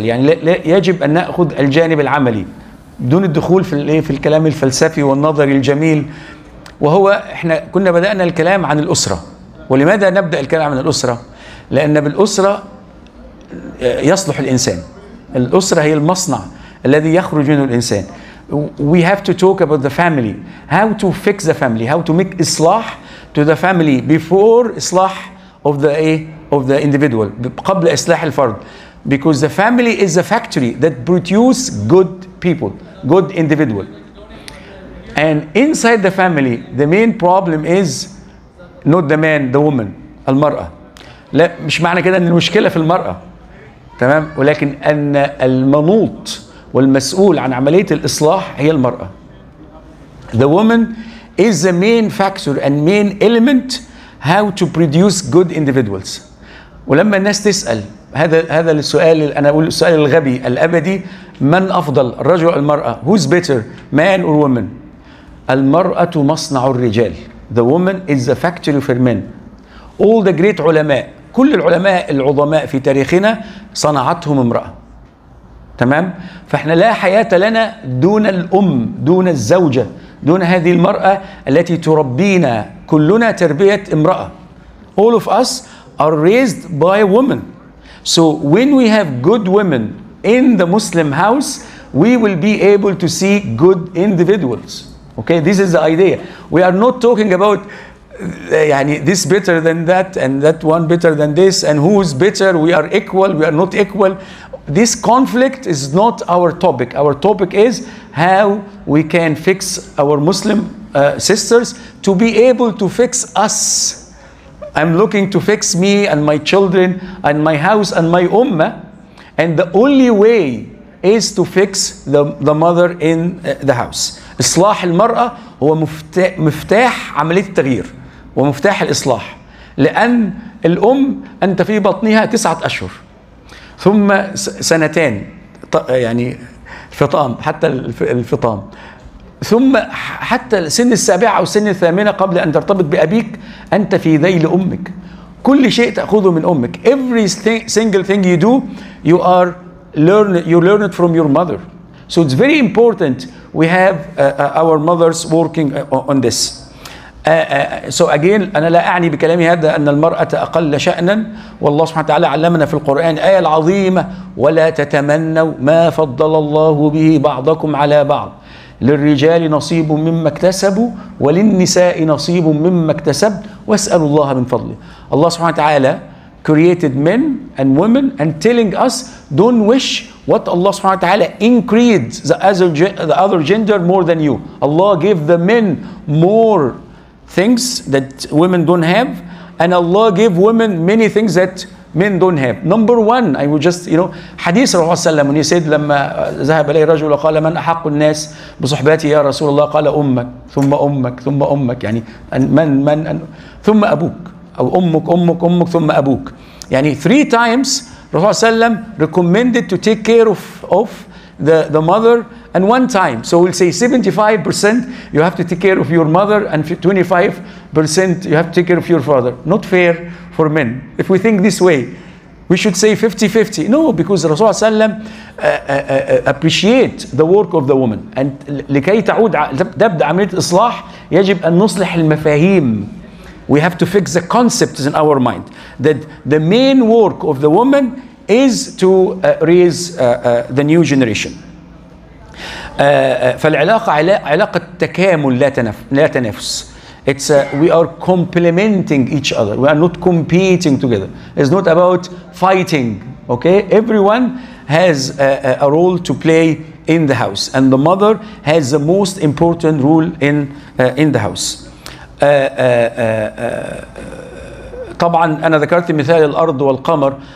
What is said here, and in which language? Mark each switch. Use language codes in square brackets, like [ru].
[ar] يعني يجب أن نأخذ الجانب العملي دون الدخول في الكلام الفلسفي والنظري الجميل. وهو إحنا كنا بدأنا الكلام عن الأسرة، ولماذا نبدأ الكلام عن الأسرة؟ لأن بالأسرة يصلح الإنسان. الأسرة هي المصنع الذي يخرج منه الإنسان. [en] We have to talk about the family. How to fix the family? How to make إصلاح to the family before إصلاح of the individual. [ar] قبل إصلاح الفرد. [en] Because the family is a factory that produce good people, good individual. And inside the family, the main problem is not the man, the woman, المرأة. [ar] لا، مش معنى كده ان المشكله في المراه، تمام، ولكن ان المنوط والمسؤول عن عمليه الاصلاح هي المراه. [en] The woman is the main factor and main element how to produce good individuals. [ar] ولما الناس تسال هذا السؤال، انا اقول السؤال الغبي الابدي، من افضل، الرجل او المراه؟ [en] Who's better, man or woman؟ [ar] المراه مصنع الرجال. [en] The woman is the factory for men. All the great [ar] علماء، كل العلماء العظماء في تاريخنا صنعتهم امرأة، تمام. فاحنا لا حياة لنا دون الأم، دون الزوجة، دون هذه المرأة التي تربينا كلنا تربية امرأة. [en] All of us are raised by a woman. So when we have good women in the Muslim house, we will be able to see good individuals. Okay, this is the idea. We are not talking about يعني this better than that and that one better than this and who is better, we are equal, we are not equal. This conflict is not our topic. Our topic is how we can fix our Muslim sisters to be able to fix us. I'm looking to fix me and my children and my house and my ummah, and the only way is to fix the mother in the house. [ar] إصلاح المرأة هو مفتاح عملية التغيير ومفتاح الإصلاح. لأن الأم أنت في بطنها 9 أشهر، ثم سنتين يعني الفطام، حتى الفطام، ثم حتى سن 7 أو سن 8 قبل أن ترتبط بأبيك، أنت في ذيل أمك. كل شيء تأخذه من أمك. [en] Every single thing you do, you learn it from your mother. So it's very important we have our mothers working on this. So again, [ar] أنا لا أعني بكلامي هذا أن المرأة أقل شأنا، والله سبحانه وتعالى علمنا في القرآن آية العظيمة، ولا تتمنوا ما فضل الله به بعضكم على بعض، للرجال نصيب مما اكتسبوا وللنساء نصيب مما اكتسبوا واسألوا الله من فضله. [en] الله سبحانه وتعالى created men and women and telling us don't wish what Allah سبحانه وتعالى increased the other gender more than you. Allah gave the men more things that women don't have, and Allah gave women many things that men don't have. Number one, I would just, you know, hadith of Rasulullah, when he said, [ar] لما ذهب إليه رجل وقال من أحق الناس بصحبتي يا رسول الله قال أمك ثم أمك ثم أمك يعني من ثم أبوك أو أمك ثم أبوك يعني [en] three times Rasulullah recommended to take care of the mother and one time. So we'll say 75% you have to take care of your mother and 25% you have to take care of your father. Not fair for men. If we think this way, we should say 50-50. No, because Rasulullah sallam appreciate the work of the woman. [ar] And لكي تعود تبدأ عملية إصلاح يجب أن نصلح المفاهيم. [en] We have to fix the concepts in our mind that the main work of the woman is to raise the new generation. [ar] فالعلاقة علاقة تكامل لا تنافس. [en] It's we are complementing each other. We are not competing together. It's not about fighting. Okay, everyone has a role to play in the house, and the mother has the most important role in the house. [ar] طبعا أنا ذكرت مثال الأرض والقمر.